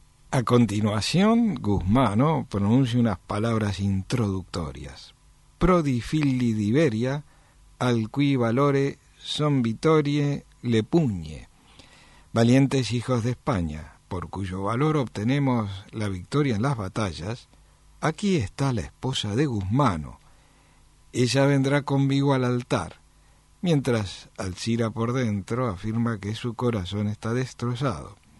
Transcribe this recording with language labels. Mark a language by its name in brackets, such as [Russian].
[Spanish] A continuación, Guzmano pronuncia unas palabras introductorias. [Italian] Pro di figli d'Iberia, al cui valore son vittorie le pugne. [Spanish] Valientes hijos de España, por cuyo valor obtenemos la victoria en las batallas, aquí está la esposa de Guzmano. Ella vendrá conmigo al altar, mientras Alcira por dentro afirma que su corazón está destrozado.